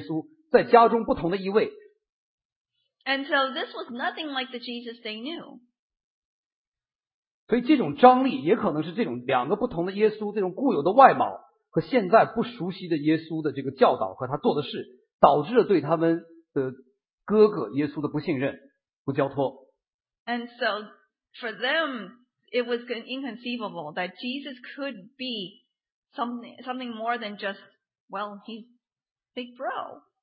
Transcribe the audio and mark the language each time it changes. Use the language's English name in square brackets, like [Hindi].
[Chinese] 所以这类的讲论，我可以想象，一定让这个耶稣的弟兄感受一个完全不同的耶稣在家中不同的一位。 [English] And so this was nothing like the Jesus they knew. [Chinese] 所以这种张力也可能是这种两个不同的耶稣，这种固有的外貌和现在不熟悉的耶稣的这个教导和他做的事，导致了对他们的。哥哥耶稣的不信任，不交托。 [English] And so for them, it was inconceivable that Jesus could be something more than just, well, he's big bro.